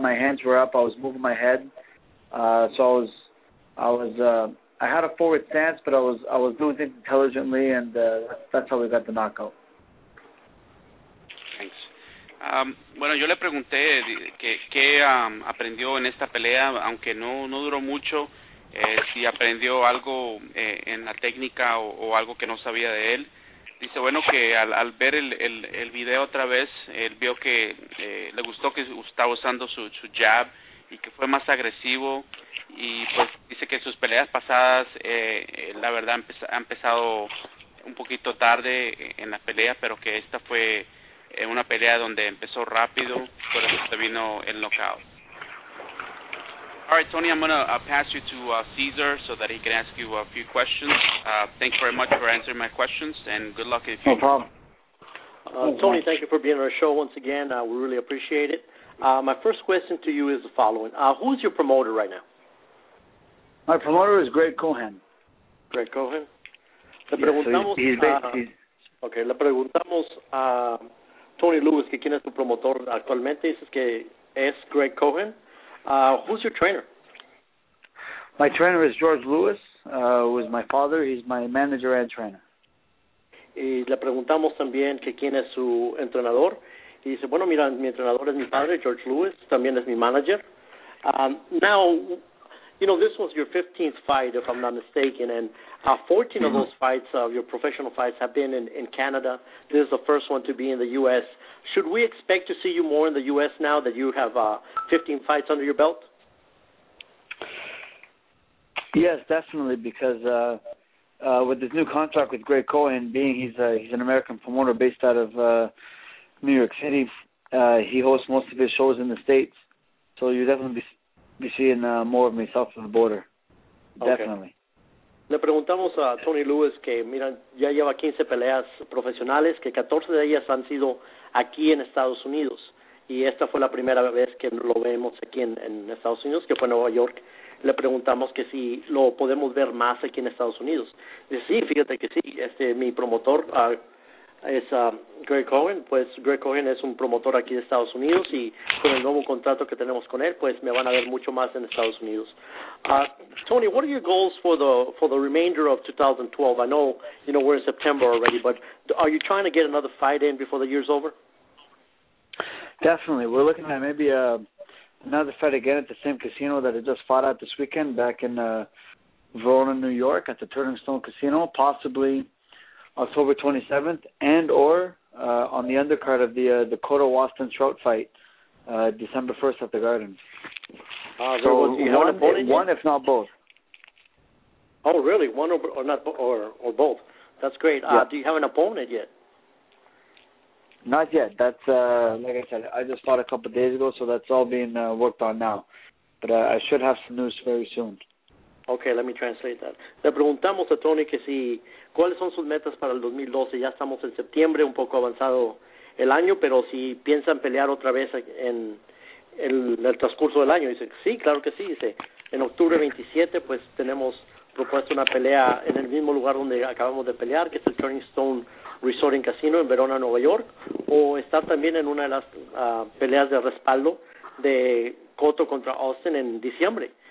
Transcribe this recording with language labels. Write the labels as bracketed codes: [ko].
[en] My hands were up. I was moving my head. I had a forward stance, but I was doing things intelligently, and that's how we got the knockout. Thanks. [es] Bueno, yo le pregunté qué aprendió en esta pelea, aunque no duró mucho, si aprendió algo en la técnica o algo que no sabía de él. Dice, bueno, que al ver el video otra vez, él vio que le gustó que estaba usando su jab y que fue más agresivo. Y pues dice que sus peleas pasadas, la verdad, ha empezado un poquito tarde en la pelea, pero que esta fue una pelea donde empezó rápido, por eso vino el knockout. [en] All right, Tony, I'm going to pass you to Caesar so that he can ask you a few questions. Thanks very much for answering my questions, and good luck. If you... No problem. Tony, thank you for being on our show once again. We really appreciate it. My first question to you is the following. Who's your promoter right now? My promoter is Greg Cohen. Greg Cohen? [es] Le preguntamos a Tony Lewis que quién es tu promotor actualmente. Dices que es Greg Cohen. [en] Who's your trainer? My trainer is George Lewis, who is my father. He's my manager and trainer. [es] Y le preguntamos también que quién es su entrenador. Y dice, bueno, mira, mi entrenador es mi padre, George Lewis, también es mi manager. [en] Now, you know, this was your 15th fight, if I'm not mistaken, and 14 of those fights, your professional fights, have been in Canada. This is the first one to be in the U.S. Should we expect to see you more in the U.S. now that you have 15 fights under your belt? Yes, definitely, because with this new contract with Greg Cohen, being he's an American promoter based out of New York City, he hosts most of his shows in the States, so you'll definitely be seeing more of me south of the border, definitely. Okay. [es] Le preguntamos a Tony Lewis que, mira, ya lleva 15 peleas profesionales, que 14 de ellas han sido aquí en Estados Unidos, y esta fue la primera vez que lo vemos aquí en Estados Unidos, que fue en Nueva York. Le preguntamos que si lo podemos ver más aquí en Estados Unidos. Dice, sí, fíjate que sí, mi promotor es Greg Cohen. Pues Greg Cohen es un promotor aquí de Estados Unidos, y con el nuevo contrato que tenemos con él, pues me van a ver mucho más en Estados Unidos. [en] Tony, what are your goals for the remainder of 2012? I know, you know, we're in September already, but are you trying to get another fight in before the year's over? Definitely. We're looking at maybe another fight again at the same casino that I just fought at this weekend back in Verona, New York, at the Turning Stone Casino, possibly October 27th, and or on the undercard of the Dakota Waston Trout fight, December 1st at the Garden. So one if not both. Oh, really? One or both? That's great. Yeah. Do you have an opponent yet? Not yet. That's like I said, I just fought a couple of days ago, so that's all being worked on now. But I should have some news very soon. Okay, let me translate that. [es] Le preguntamos a Tony que si, ¿cuáles son sus metas para el 2012? Ya estamos en septiembre, un poco avanzado el año, pero si piensan pelear otra vez en el transcurso del año. Dice, sí, claro que sí. Dice, en octubre 27, pues tenemos propuesto una pelea en el mismo lugar donde acabamos de pelear, que es el Turning Stone Resort and Casino en Verona, Nueva York, o estar también en una de las peleas de respaldo de Cotto contra Austin en diciembre.